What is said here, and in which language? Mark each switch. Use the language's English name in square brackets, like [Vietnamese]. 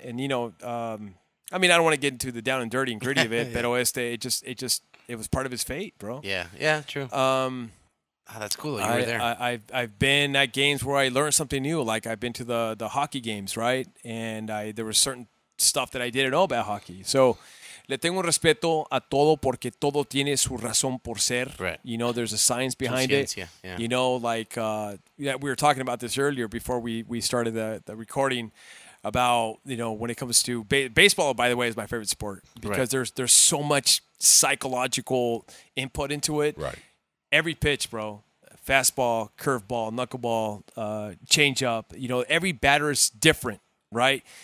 [English] And, you know, I mean, I don't want to get into the down and dirty and gritty of it, but Oeste, it was part of his fate, bro. Yeah. Yeah, true. That's cool. You were there. I've been at games where I learned something new. Like I've been to the hockey games, right? And there was certain stuff that I didn't know about hockey. [Spanish] So, le tengo respeto a todo porque todo tiene su razón por ser. [English] Right. You know, there's a science behind it. Yeah. You know, like we were talking about this earlier before we started the recording about, you know, when it comes to baseball, by the way, is my favorite sport because there's so much psychological input into it. Right. Every pitch, bro, fastball, curveball, knuckleball, changeup, you know, every batter is different, right?